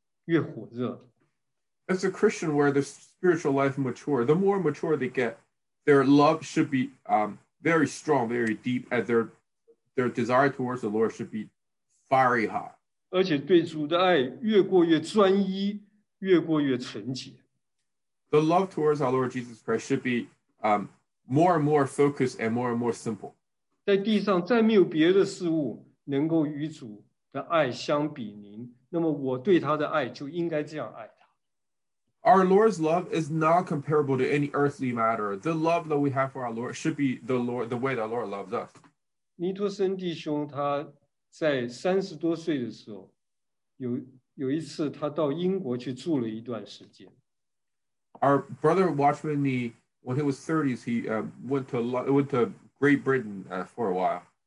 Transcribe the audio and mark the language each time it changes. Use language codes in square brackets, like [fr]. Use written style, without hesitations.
[zh] 就是他所救赎的儿女在生命越长进越成熟的时候，对主耶稣的爱就越坚定，而且越火热。 [en] As a Christian, where their spiritual life mature, the more mature they get, their love should be very strong, very deep, and their desire towards the Lord should be fiery hot. [zh] 而且对主的爱越过越专一，越过越纯洁。 [en] The love towards our Lord Jesus Christ should be more and more focused and more simple. [zh] 在地上再没有别的事物能够与主的爱相比您，那么我对他的爱就应该这样爱他。 [en] Our Lord's love is not comparable to any earthly matter. The love that we have for our Lord should be the way that our Lord loves us. [zh] 尼托森弟兄他在30多岁的时候，有一次他到英国去住了一段时间。 [en] Our brother Watchman Nee, when he was 30s, he went to Great Britain for a while.